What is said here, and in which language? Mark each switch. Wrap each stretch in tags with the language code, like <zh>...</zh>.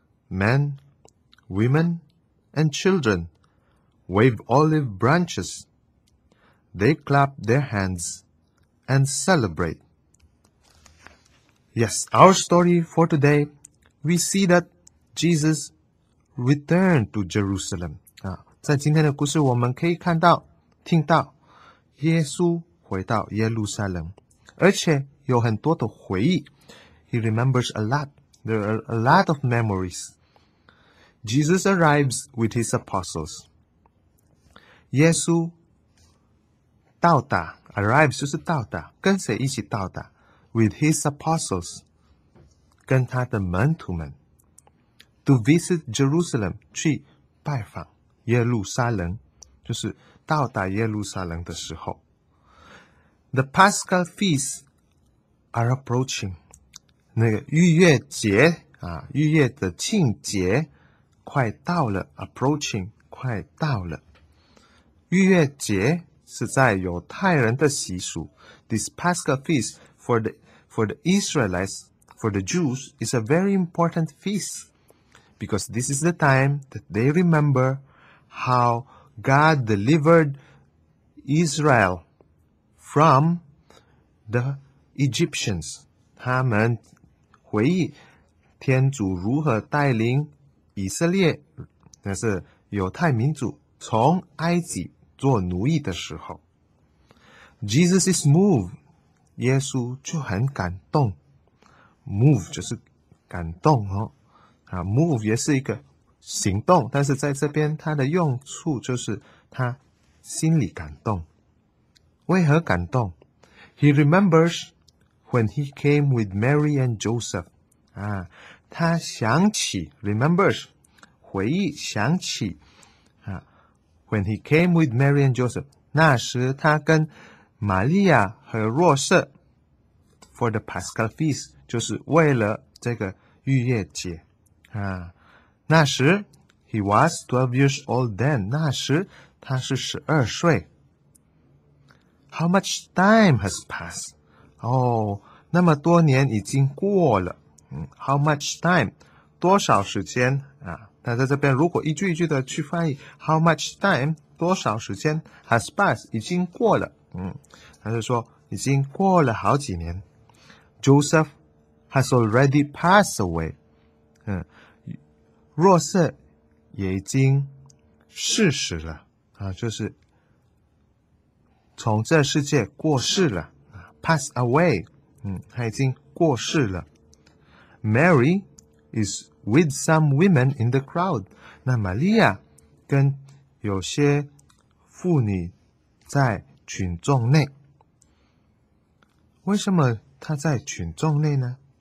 <en>Men, women, and children wave olive branches. They clap their hands and celebrate. Yes, our story for today, we see that Jesus returned to Jerusalem.</en> <zh>在今天的故事我们可以看到、听到耶稣回到耶路撒冷，而且有很多的回忆。</zh> <en>He remembers a lot. There are a lot of memories. Jesus arrives with his apostles.</en> <zh>耶稣到达 arrives 就是到达跟谁一起到达</zh> <en>with his apostles</en> <zh>跟他的门徒们</zh> <en>to visit Jerusalem</en> <zh>去拜访耶路撒冷就是到达耶路撒冷的时候</zh> <en>The Paschal feasts are approaching.</en> <zh>那个逾越节啊，逾越的庆节快到了 ，approaching 快到了。逾越节是在犹太人的习俗</zh> <en>，this Paschal feast for the Israelites for the Jews is a very important feast because this is the time that they remember how God delivered Israel from the Egyptians，</en> <zh>他们。回忆天主如何带领以色列，那是犹太民族从埃及做奴役的时候。</zh> <en>Jesus is moved，</en> <zh>耶稣就很感动。 Move 就是感动哦，啊 ，move 也是一个行动，但是在这边它的用处就是他心里感动。为何感动 ？</zh> <en>He remembers。 When he came with Mary and Joseph,</en> <zh>啊，他想起 remembers 回忆想起啊 ，</zh> <en>when he came with Mary and Joseph,</en> <zh>那时他跟玛利亚和若瑟</zh> <en>for the Paschal feast</en> <zh>就是为了这个逾越节啊。</zh> <en>那时 he was 12 years old then.</en> <zh>那时他是12岁。</zh> <en>How much time has passed?</en> <zh>哦，那么多年已经过了。</zh> <en>How much time?</en> <zh>多少时间啊？那在这边如果一句一句的去翻译 ，</zh> <en>How much time?</en> <zh>多少时间</zh> <en>has passed?</en> <zh>已经过了。他就说已经过了好几年。</zh> <en>Joseph has already passed away。</en> <zh>若瑟也已经逝世了啊，就是从这世界过世了。</zh> <en>Pass away,</en> <zh>他已经过世了。</zh> <en>Mary is with some women in the crowd.</en> <zh>那玛利亚跟有些妇女在群众内。为什么他在群众内呢？</zh>